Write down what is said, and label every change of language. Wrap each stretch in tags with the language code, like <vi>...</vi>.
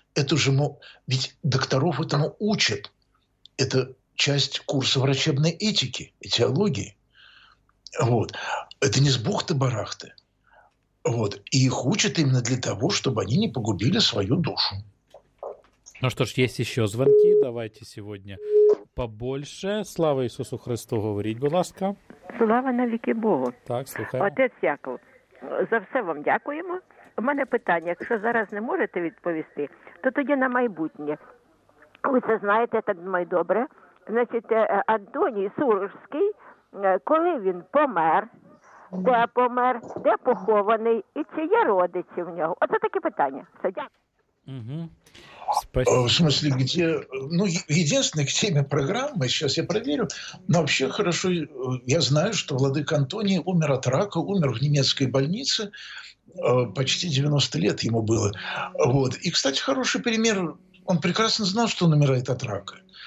<ru>Это же ведь докторов этому учат. Это часть курса врачебной этики, этиологии. Вот. Это не с бухты-барахты. Вот. И их учат именно для того, чтобы они не погубили свою душу. Ну что ж, есть еще звонки. Давайте сегодня побольше.</ru> <uk>Слава Ісусу Христу, говоріть, будь ласка. Слава навіки Богу. Так, слухаємо. Отець Яков, за все вам дякуємо. У мене питання, якщо зараз не можете відповісти, то тоді на майбутнє. Ви це знаєте, так думаю, добре. Значить, Антоній Сурожський, коли він помер, де помер, де похований, і чи є родичі в нього? Оце таке питання. Все, дякую.</uk> <ru>Спасибо. В смысле, где... Ну, единственное, к теме программы, сейчас я проверю, но вообще хорошо, я знаю, что владыка Антоний умер от рака, умер в немецкой больнице, почти 90 лет ему было. Вот. И, кстати, хороший пример, он прекрасно знал, что он умирает от рака.</ru>